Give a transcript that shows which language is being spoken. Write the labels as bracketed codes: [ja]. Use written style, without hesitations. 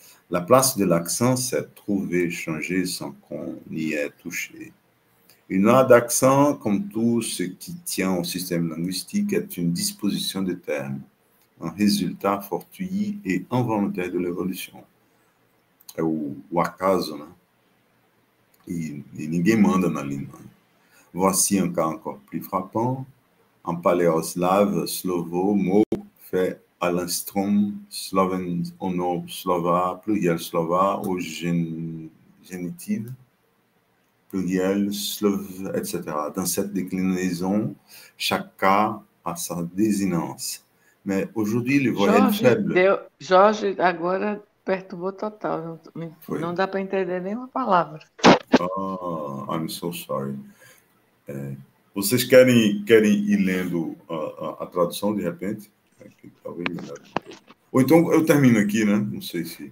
[fr] La place de l'accent s'est trouvée changée sans qu'on y ait touché. Une loi d'accent, comme tout ce qui tient au système linguistique, est une disposition de termes, un résultat fortuit et involontaire de l'évolution. [pt] Ou acaso, né? Et ninguém manda na língua. [fr] Voici un cas encore plus frappant. En paléoslave, slovo, mot fait à l'instrom, sloven, ono, slova, pluriel slova, au génitif, pluriel, slov, etc. Dans cette déclinaison, chaque cas a sa désinence. Mais aujourd'hui, le voyelle [pt] Jorge, [fr] faible. [pt] Jorge, agora. Perturbou total. Não dá para entender nenhuma palavra. [en] Oh, I'm so sorry. [pt] Vocês querem ir lendo a tradução de repente? Talvez melhor. Ou então eu termino aqui, né? Não sei se.